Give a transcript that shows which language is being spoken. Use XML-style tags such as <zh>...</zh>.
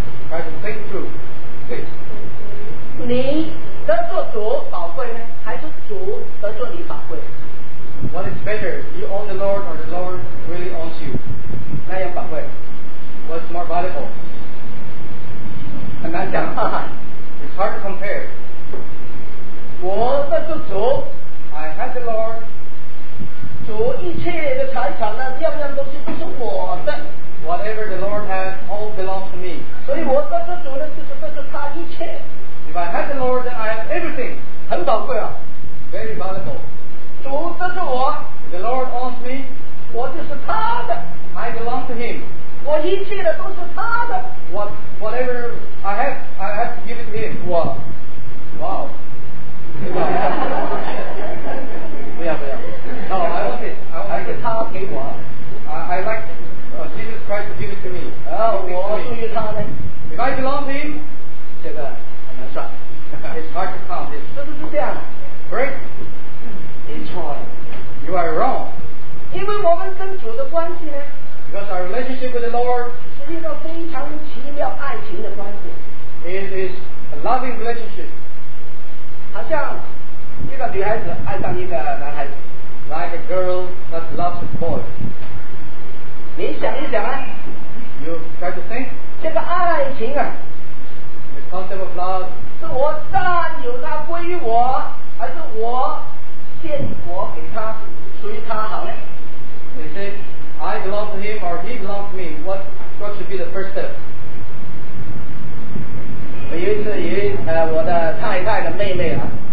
<en>try to think through this</en> <zh>你得做主宝贵呢还是主得做你宝贵</zh> <en>what is better you own the Lord or the Lord really owns you</en> <zh>那样宝贵</zh> <en>what's more valuable</en> <zh>很难讲</zh> <en>it's hard to compare</en> <zh>我得做主</zh> <en>I have the Lord</en> <zh>主一切的财产呢样样东西都是我的</zh> <en>Whatever the Lord has, all belongs to me.</en> <zh>所以我得着主呢，就是得着他一切。</zh> <en>If I have the Lord, then I have everything.</en> <zh>很宝贵啊。</zh> <en>Very valuable.</en> <zh>主得着我。</zh> <en>If the Lord owns me,</en> <zh>我就是他的。</zh> <en>I belong to him.</en> <zh>我一切的都是他的。</zh> <en>Whatever I have to give it to him. Wow. Wow.</en> <zh>不要不要。</zh> <en>No, I want it.</en> <zh>他给我。</zh> <en>I like. Jesus Christ to give it to me. If I belong to him,</en> <zh>这个很难算</zh> <en>It's hard to count.</en> <zh>是不是这样</zh> <en>Correct?</en> <zh>你错了</zh> <en>You are wrong.</en> <zh>因为我们跟主的关系呢</zh> <en>Because our relationship with the Lord</en> <zh>是一个非常奇妙爱情的关系</zh> <en>It is a loving relationship.</en> <zh>好像一个女孩子爱上一个男孩子</zh> <en>Like a girl that loves a boy.</en> <zh>你想一想啊</zh> <en>You try to think</en> <zh>这个爱情啊</zh> <en>The concept of love</en> <zh>是我占有它归于我还是我献我给他属于他好呢</zh> <en>Is it I belong to him or he belongs to me what should be the first step</en> <zh>我有一次与我的太太的妹妹啊</zh>